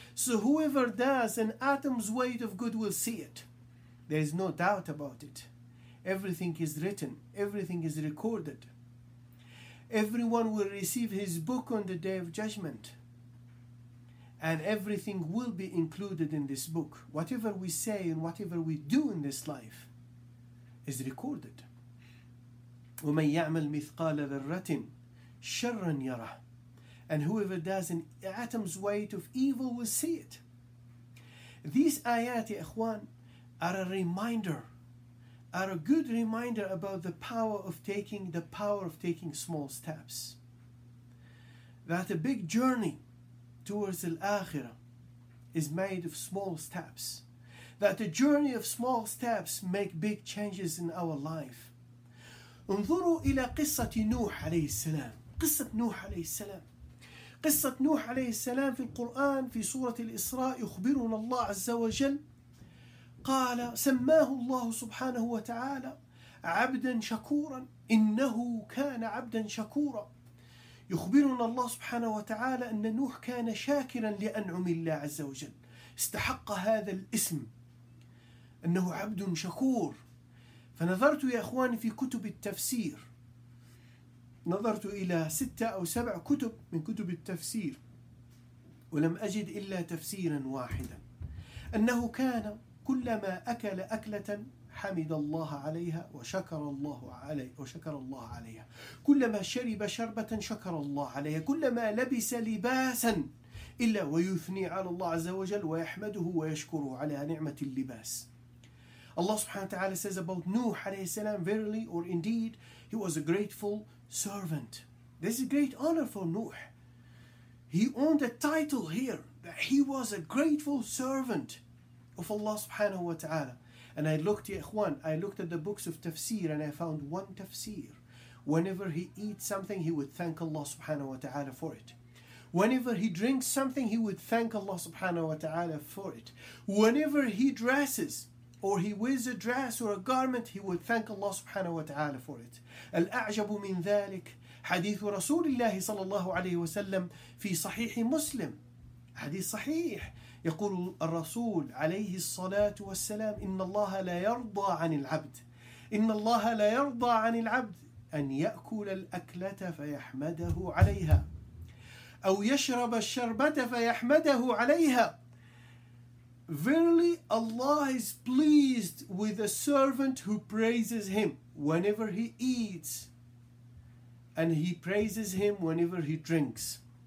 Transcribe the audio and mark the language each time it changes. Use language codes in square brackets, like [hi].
[en] So whoever does an atom's weight of good will see it. There is no doubt about it. Everything is written. Everything is recorded. Everyone will receive his book on the Day of Judgment. And everything will be included in this book. Whatever we say and whatever we do in this life is recorded. [ar] وَمَنْ يَعْمَلْ مِثْقَالَ ذَرَّةٍ شَرًّا يَرَى. [en] And whoever does an atom's weight of evil will see it. These ayat, [ar] ya ikhwan, [en] are a reminder. Are a good reminder about the power of taking small steps. That a big journey towards Al-Akhirah is made of small steps. That a journey of small steps make big changes in our life. [ar] انظروا إلى قصة نوح عليه السلام. قصة نوح عليه السلام. قصة نوح عليه السلام في القرآن في سورة الإسراء يخبرنا الله عز وجل قال سماه الله سبحانه وتعالى عبدا شكورا إنه كان عبدا شكورا. يخبرنا الله سبحانه وتعالى أن نوح كان شاكرا لأنعم الله عز وجل. استحق هذا الاسم أنه عبد شكور. فنظرت يا أخواني في كتب التفسير. نظرت إلى 6 أو 7 كتب من كتب التفسير ولم أجد إلا تفسيرا واحدا أنه كان كلما أكل أكلة حمد الله عليها وشكر الله عليه وشكر الله عليها. كلما شرب شربة شكر الله عليها، كلما لبس لباسا إلا ويثني على الله عز وجل ويحمده ويشكره على نعمة اللباس. [en] Allah subhanahu wa ta'ala says about Nuh alayhi salam, verily or indeed, he was a grateful servant. This is a great honor for Nuh. He earned a title here that he was a grateful servant of Allah subhanahu wa ta'ala. And I looked, [ar] ya ikhwan, [en] I looked at the books of tafsir and I found one tafsir. Whenever he eats something, he would thank Allah subhanahu wa ta'ala for it. Whenever he drinks something, he would thank Allah subhanahu wa ta'ala for it. Whenever he dresses, or he wears a dress or a garment, he would thank Allah subhanahu wa ta'ala for it. [ar] Al-a'jabu min thalik, hadith Rasulullah sallallahu alayhi wa sallam fi sahih Muslim. Hadith sahih. يقول الرسول عليه الصلاة والسلام إن الله لا يرضى عن العبد إن الله لا يرضى عن العبد أن يأكل الأكلة فيحمده عليها أو يشرب الشربة فيحمده عليها. [en] Verily Allah is pleased with a servant who praises him whenever he eats, and he praises him whenever he drinks.